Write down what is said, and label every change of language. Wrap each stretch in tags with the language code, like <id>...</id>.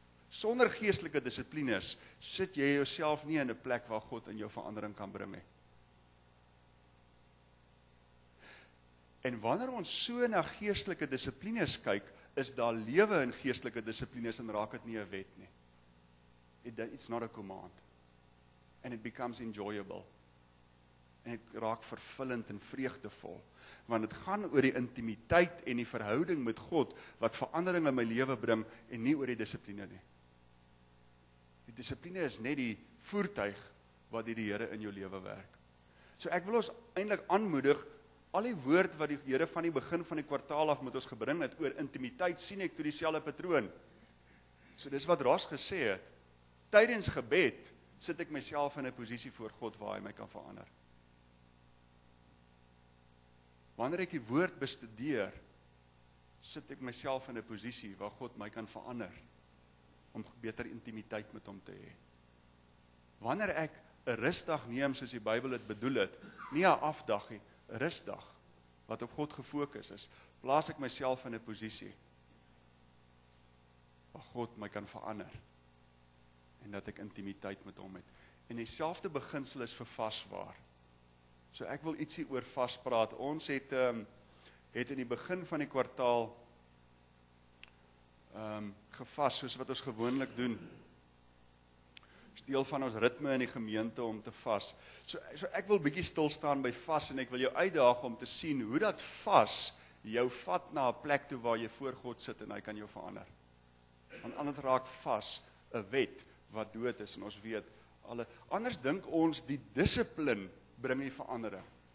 <af>Sonder geestelike disciplines sit jy jouself nie in 'n plek waar God in jou verandering kan bring nie. En wanneer ons so na geestelike disciplines kyk, is daar lewe in geestelike disciplines en raak het nie 'n wet nie.</af> <en>It's not a command. And it becomes enjoyable.</en> <af>En ek raak vervullend en vreugdevol. Want het gaan oor die intimiteit en die verhouding met God, wat verandering in my lewe bring, en nie oor die discipline nie. Die discipline is net die voertuig, wat die Here in jou lewe werk. So ek wil ons eindelijk aanmoedig, al die woord wat die Here van die begin van die kwartaal af met ons gebring het, oor intimiteit, sien ek toe die selfe patroon. So dis wat Ras gesê het, tydens gebed, sit ek myself in 'n posisie voor God, waar hy my kan verander. Wanneer ek die woord bestudeer, sit ek myself in 'n posisie waar God my kan verander, om beter intimiteit met hom te hê. Wanneer ek een rustdag neem, soos die Bybel het bedoel het, nie een afdag, een rustdag, wat op God gefokus is, plaas ek myself in 'n posisie, waar God my kan verander, en dat ek intimiteit met hom het. En dieselfde beginsel is vir vaswaar. So ek wil ietsie oor vas praat. Ons het, het in die begin van die kwartaal gevas, soos wat ons gewoonlik doen. Is deel van ons ritme in die gemeente om te vas. So ek wil bietjie stilstaan by vas, en ek wil jou uitdaag om te sien hoe dat vas jou vat na 'n plek toe waar jy voor God sit en hy kan jou verander. Want anders raak vas 'n wet wat dood is, en ons weet, alle, anders dink ons die discipline bring die verandering.</af>